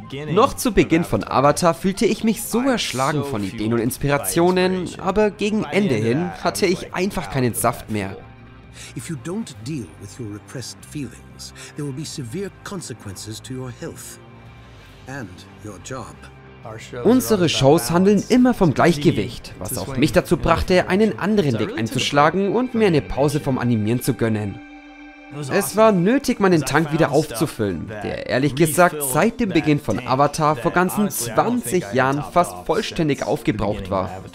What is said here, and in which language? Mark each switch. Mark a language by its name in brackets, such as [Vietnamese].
[German] Noch zu Beginn von Avatar fühlte ich mich so erschlagen von Ideen und Inspirationen, aber gegen Ende hin hatte ich einfach keinen Saft mehr. [English] If you don't deal with your repressed feelings, there will be severe consequences to your health. And your job. [German] Unsere Shows handeln immer vom Gleichgewicht, was auch mich dazu brachte, einen anderen Weg einzuschlagen und mir eine Pause vom Animieren zu gönnen. Es war nötig, meinen Tank wieder aufzufüllen, der ehrlich gesagt seit dem Beginn von Avatar vor ganzen 20 Jahren fast vollständig aufgebraucht war.